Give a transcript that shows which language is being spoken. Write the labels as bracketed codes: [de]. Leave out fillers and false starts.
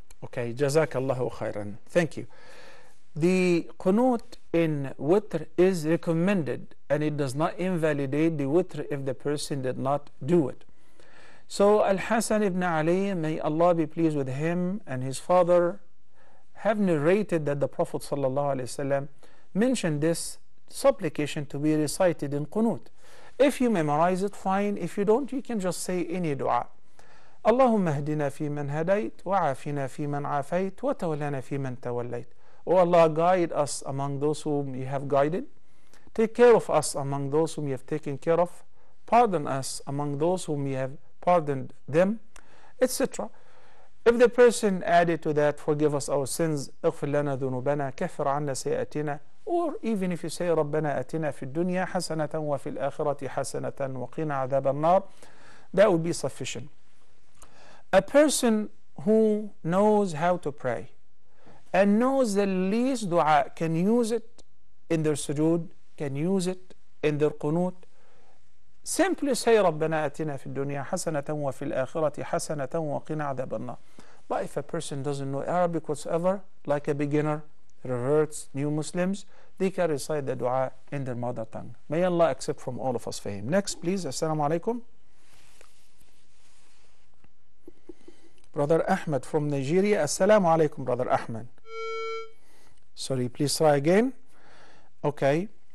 [en] Okay, jazakallahu khairan, thank you. The kunut in witr is recommended, and it does not invalidate the witr if the person did not do it. So Al-Hasan ibn Ali, may Allah be pleased with him and his father, have narrated that the Prophet ﷺ mentioned this supplication to be recited in Qunut. If you memorize it, fine. If you don't, you can just say any dua. [ar] اللهم اهدنا في من هديت وعافنا في من عافيت وتولنا في من توليت. [en] Oh Allah, guide us among those whom you have guided. Take care of us among those whom you have taken care of. Pardon us among those whom you have pardoned them, etc. If the person added to that, forgive us our sins, [ar] اغفر لنا ذنوبنا كفر عنا سيئتنا. [en] Or even if you say [ar] ربنا أتنا في الدنيا حسنة وفي الآخرة حسنة وقنا عذاب النار, [en] that would be sufficient. A person who knows how to pray and knows the least dua can use it in their sujood, can use it in their qunut. Simply say [ar] ربنا أتنا في الدنيا حسنة وفي الآخرة حسنة وقنا عذاب النار. [en] But if a person doesn't know Arabic whatsoever, like a beginner, reverts, new Muslims, they can recite the dua in their mother tongue. May Allah accept from all of us fahim. Next, please. Assalamu alaikum. Brother Ahmed from Nigeria. Assalamu alaikum, Brother Ahmed. Sorry, please try again. Okay.